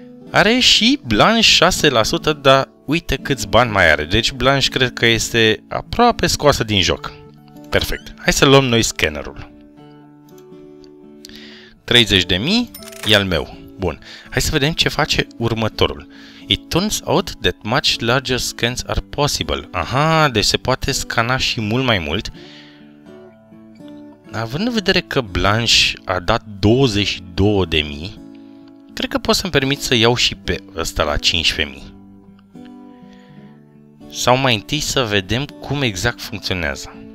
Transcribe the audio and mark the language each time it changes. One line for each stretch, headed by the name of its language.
Romanian: Are și blanș 6%, dar... Uite câți bani mai are, deci Blanche cred că este aproape scoasă din joc. Perfect, hai să luăm noi scannerul. 30.000, e al meu. Bun, hai să vedem ce face următorul.
English: It turns out that much larger scans are possible.
Romanian: Aha, deci se poate scana și mult mai mult. Având în vedere că Blanche a dat 22.000, cred că pot să-mi permit să iau și pe ăsta la 15.000. Sau mai întâi să vedem cum exact funcționează.